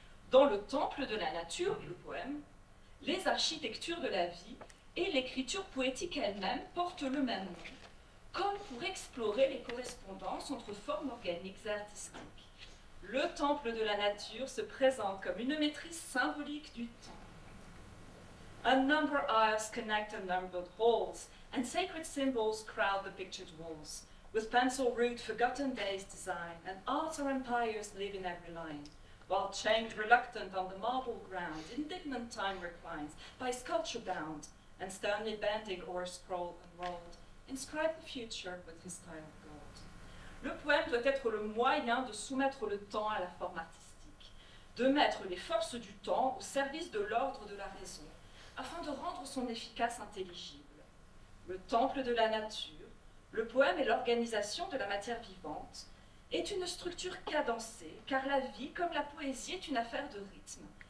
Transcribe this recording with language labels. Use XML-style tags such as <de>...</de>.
<fr>Dans le temple de la nature, le poème, les architectures de la vie et l'écriture poétique elle-même porte le même nom, comme pour explorer les correspondances entre formes organiques et artistiques. Le temple de la nature se présente comme une maîtrise symbolique du temps.</fr> <en>A number of aisles connect unnumbered halls, and sacred symbols crowd the pictured walls, with pencil root forgotten days design, and altar empires live in every line. While chained reluctant on the marble ground, indignant time reclines, by sculpture bound, and sternly bending o'er scroll unrolled, inscribe the future with his style of gold.</en> <fr>Le poème doit être le moyen de soumettre le temps à la forme artistique, de mettre les forces du temps au service de l'ordre de la raison, afin de rendre son efficace intelligible. Le temple de la nature, le poème et l'organisation de la matière vivante, est une structure cadencée, car la vie, comme la poésie, est une affaire de rythme.</fr>